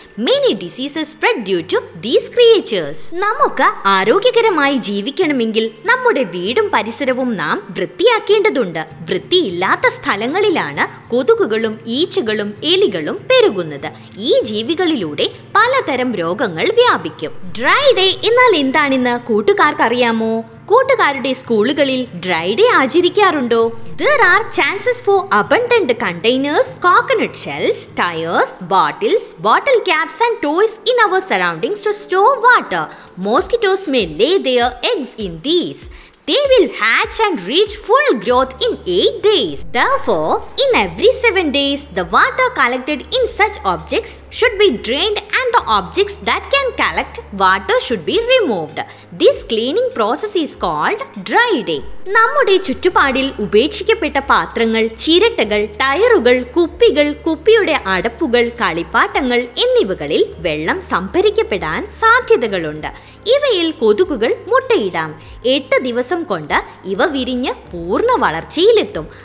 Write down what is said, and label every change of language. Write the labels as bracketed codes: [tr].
[en] Many diseases spread due to these creatures. [ml] നമുക്ക് ആരോഗ്യകരമായി ജീവിക്കണമെങ്കിൽ നമ്മുടെ വീടും പരിസരവും നാം വൃത്തിയാക്കേണ്ടതുണ്ട്. വൃത്തിയില്ലാത്ത സ്ഥലങ്ങളിലാണ് കൊതുകുകളും ഈച്ചകളും എലികളും പെരുകുന്നത്. ഈ ജീവികളിലൂടെ പലതരം രോഗങ്ങൾ വ്യാപിക്കും. ഡ്രൈ ഡേ എന്നാൽ എന്താണെന്ന് കൂട്ടുകാർക്കറിയാമോ? കൂട്ടുകാരുടെ സ്കൂളുകളിൽ dry day ആചരിക്കാറുണ്ടോ? [en] There are chances for abundant containers, coconut shells, tires, bottles, bottle caps and toys in our surroundings to store water. Mosquitoes may lay their eggs in these. they will hatch and reach full growth in 8 days. Therefore, in every 7 days, the water collected in such objects should be drained and the objects that can collect water should be removed. This cleaning process is called dry day. [ml] നമ്മുടെ ചുറ്റുപാടിൽ ഉപേക്ഷിക്കപ്പെട്ട പാത്രങ്ങൾ, ചിരട്ടകൾ, ടയറുകൾ, കുപ്പികൾ, കുപ്പിയുടെ അടപ്പുകൾ, കളിപ്പാട്ടങ്ങൾ എന്നിവകളിൽ വെള്ളം സംഭരിക്കപ്പെടാൻ സാധ്യതകളുണ്ട്. ഇവയിൽ കൊതുകുകൾ മുട്ടയിടാം. 8 ദിവസം കൊണ്ട് ഇവ വിരിഞ്ഞ് പൂർണ്ണ വളർച്ചയിലെത്തും.